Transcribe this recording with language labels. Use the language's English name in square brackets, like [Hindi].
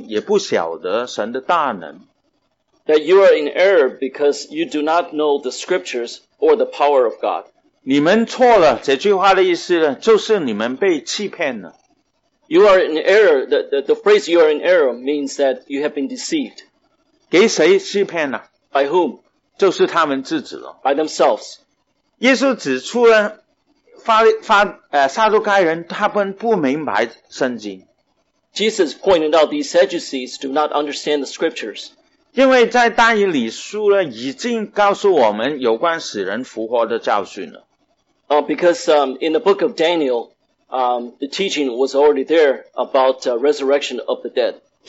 [Chinese] 你们错了，因为不明白圣经，也不晓得神的大能。 [English] That you are in error because you do not know the scriptures or the power of God. [Chinese] 你们错了，这句话的意思呢，就是你们被欺骗了。 [English] You are in error, the phrase you are in error means that you have been deceived. [Chinese] 给谁欺骗了？ [English] By whom? [Chinese] 就是他们自己了。 [English] By themselves. [Chinese] 耶稣指出了撒都该人他们不明白圣经。 [English] Jesus pointed out these Sadducees do not understand the scriptures. [Chinese] 因为在但以理书呢，已经告诉我们有关死人复活的教训了。 [English] Because in the book of Daniel, the teaching was already there about resurrection of the dead.